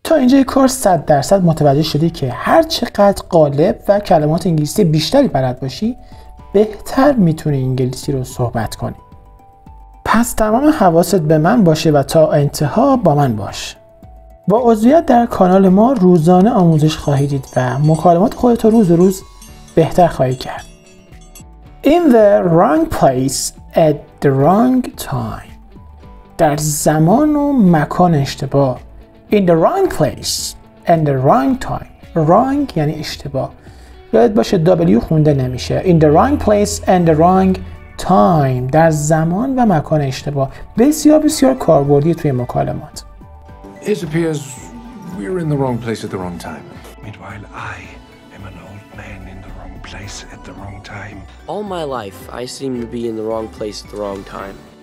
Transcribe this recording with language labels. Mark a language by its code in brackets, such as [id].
[fa] اینجا یک کار 100% متوجه شدی که هر چقدر قالب و کلمات انگلیسی بیشتری بلد باشی، بهتر میتونی انگلیسی رو صحبت کنی. پس تمام حواست به من باشه و تا انتها با من باش. با عضویت در کانال ما روزانه آموزش خواهی دید و مکالمات خودت رو روز روز بهتر خواهی کرد. [en] In the wrong place at the wrong time. [fa] در زمان و مکان اشتباه. [en] In the wrong place and the wrong time. [fa] Wrong یعنی اشتباه. یاد باشه W خونده نمیشه. [en] In the wrong place and the wrong time. [fa] در زمان و مکان اشتباه. بسیار بسیار کاربردی توی مکالمات. [en] It appears we're in the wrong place at the wrong time. Meanwhile, I am an old man in the wrong place at the wrong time. All my life, I seem to be in the wrong place at the wrong time.